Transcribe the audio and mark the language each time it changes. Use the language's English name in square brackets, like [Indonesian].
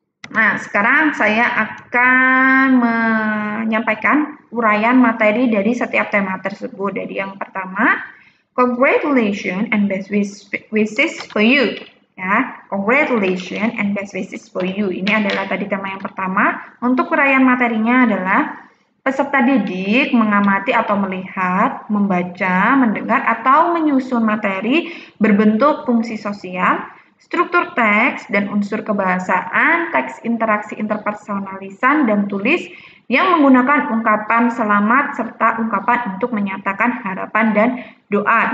[Indonesian] Nah, sekarang saya akan menyampaikan uraian materi dari setiap tema tersebut. Jadi yang pertama, [English] Congratulations and best wishes for you. Ya, congratulations and best wishes for you. [Indonesian] Ini adalah tadi tema yang pertama. Untuk uraian materinya adalah peserta didik mengamati atau melihat, membaca, mendengar atau menyusun materi berbentuk fungsi sosial, struktur teks dan unsur kebahasaan, teks interaksi interpersonal lisan dan tulis yang menggunakan ungkapan selamat serta ungkapan untuk menyatakan harapan dan doa.